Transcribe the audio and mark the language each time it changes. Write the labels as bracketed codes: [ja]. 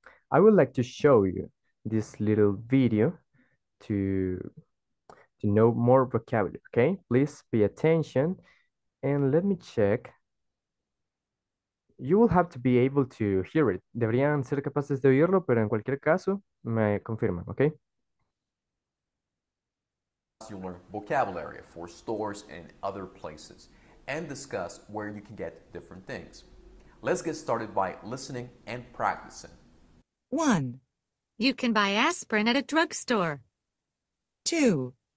[en] I would like to show you this little video to know more vocabulary, okay? Please pay attention and let me check. You will have to be able to hear it. [es] Deberían ser capaces de oírlo, pero en cualquier caso, me confirman, okay? [en] You'll learn vocabulary for stores and other places and discuss where you can get different things. Let's get started by listening and practicing. 1. You can buy aspirin at a drugstore. 2.